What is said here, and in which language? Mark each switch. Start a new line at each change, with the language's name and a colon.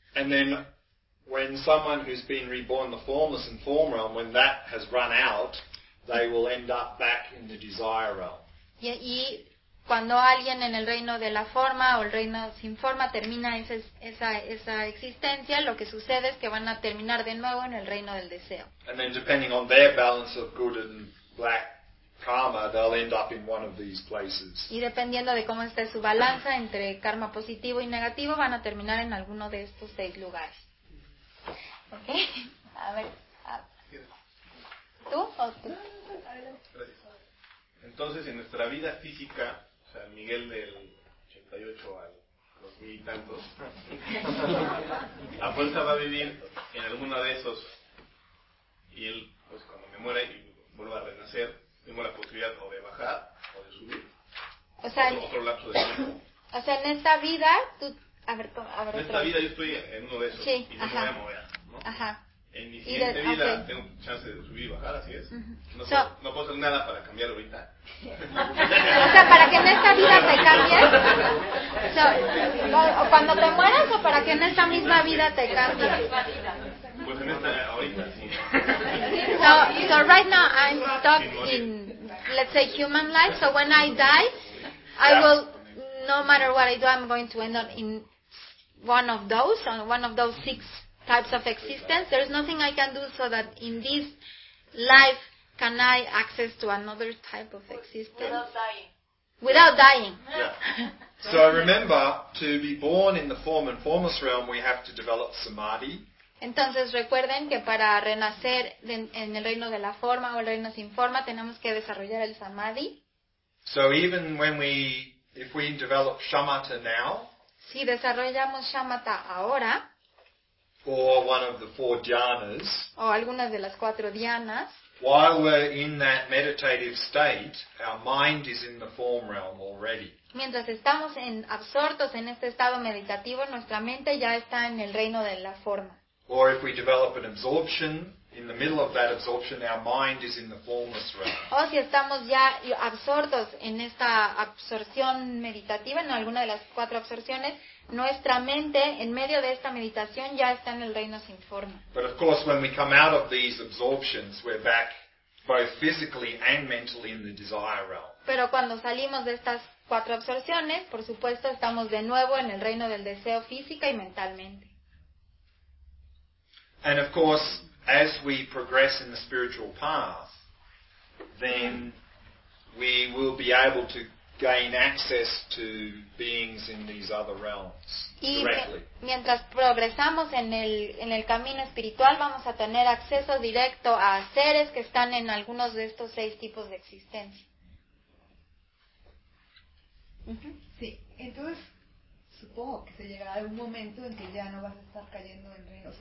English: And then when someone who's been reborn the formless and form realm, when that has run out, they will end up back in the desire realm.
Spanish: Y cuando alguien en el reino de la forma o el reino sin forma termina esa existencia, lo que sucede es que van a terminar de nuevo en el reino del deseo.
English: And then depending on their balance of good and black karma, they'll end up in one of these places.
Spanish: Y dependiendo de cómo esté su balanza entre karma positivo y negativo, van a terminar en alguno de estos seis lugares. Okay. A ver. ¿Tú o tú? Entonces, en nuestra vida física, o sea, Miguel del 88 al 2000 y tantos, la fuerza va a vivir en alguno de esos, y él, pues cuando me muera y vuelva a renacer, tengo la posibilidad o de bajar o de subir. O sea, otro lapso de tiempo. O sea, en esta vida, tú... A ver, en esta vida yo estoy en uno de esos, sí, y no me voy a mover. Ajá. En mi siguiente vida tengo chance de subir y bajar, así es. Uh-huh. No puedo hacer nada para cambiar ahorita. O sea, para que en esta vida te cambies. O cuando te mueras, o para que en esta misma vida te cambies. Pues en esta ahorita, sí.
English: So right now I'm stuck in, let's say, human life. So when I die, I will, no matter what I do, I'm going to end up in one of those six types of existence. There is nothing I can do so that in this life can I access to another type of existence. Without dying. Yeah. So remember, to be born in the form and formless realm, we have to develop samadhi.
Spanish: Entonces recuerden que para renacer en el reino de la forma o el reino sin forma, tenemos que desarrollar el samadhi.
English: So even when if we develop shamatha now,
Spanish: si desarrollamos shamatha ahora,
English: or one of the four dhyanas,
Spanish: o algunas de las cuatro dhyanas,
English: while we're in that meditative state, our mind is in the form realm already.
Spanish: Mientras estamos absortos en este estado meditativo, nuestra mente ya está en el reino de la forma.
English: Or if we develop an absorption, in the middle of that absorption, our mind is in the formless realm.
Spanish: O si estamos ya absortos en esta absorción meditativa, en alguna de las cuatro absorciones, nuestra mente, en medio de esta meditación, ya está en el reino sin forma.
English: But of course, when we come out of these absorptions, we're back both physically and mentally in the desire realm.
Spanish: Pero cuando salimos de estas cuatro absorciones, por supuesto, estamos de nuevo en el reino del deseo física y mentalmente.
English: And of course, as we progress in the spiritual path, then we will be able to gain access to beings in these other realms directly.
Spanish: Mientras progresamos en el camino espiritual, vamos a tener acceso directo a seres que están en algunos de estos seis tipos de existencia. Sí, entonces supongo que se llegará un momento en que ya no vas a estar cayendo en reinos.